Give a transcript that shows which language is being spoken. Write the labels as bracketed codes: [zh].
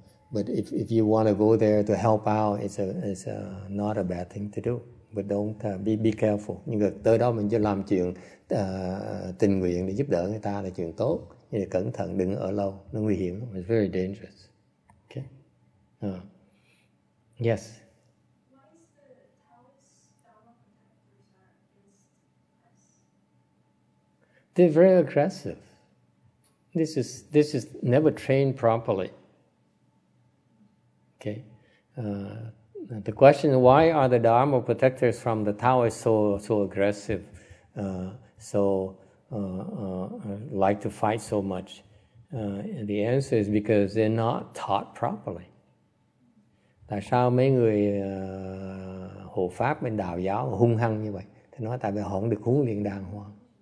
[en] But if you want to go there to help out, it's not a bad thing to do. But don't be careful. [vi] Nhưng mà tới đó mình chỉ làm chuyện tình nguyện để giúp đỡ người ta là chuyện tốt. Nhưng cẩn thận, đừng ở lâu, nó nguy hiểm. [en] It's very dangerous. Okay. Yes. They're very aggressive. This is never trained properly. Okay. The question: why are the Dharma protectors from the Taoists so aggressive? Like to fight so much. And the answer is because they're not taught properly. [vi] Tại sao mấy người hộ pháp bên đạo giáo hung hăng như vậy? Thì nói tại vì họ không được huấn luyện đàng hoàng.